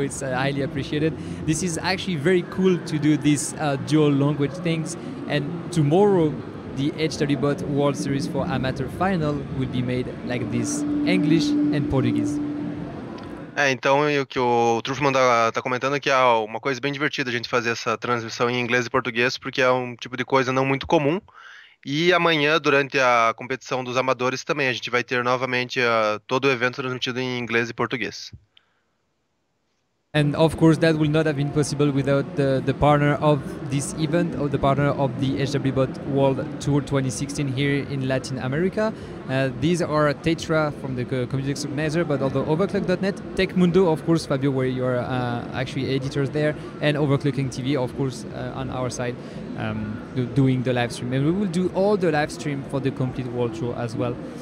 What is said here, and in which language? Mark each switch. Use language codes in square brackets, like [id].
[en] It's highly appreciated. This is actually very cool to do these dual language things. And tomorrow, the HWBOT World Series for Amateur Final will be made like this, English and Portuguese. [pt] Então, o que o Truffman tá comentando é que é uma coisa bem divertida a gente fazer essa transmissão em inglês e português, porque é um tipo de coisa não muito comum. E amanhã, durante a competição dos amadores, também a gente vai ter novamente todo o evento transmitido em inglês e português. [en] And of course, that would not have been possible without the partner of this event, or the partner of the HWBOT World Tour 2016 here in Latin America. These are Tetra from the community organizer, but also Overclock.net, Techmundo, of course, Fabio, where you're actually editors there, and OverClocking-TV, of course, on our side, doing the live stream. And we will do all the live stream for the complete World Tour as well.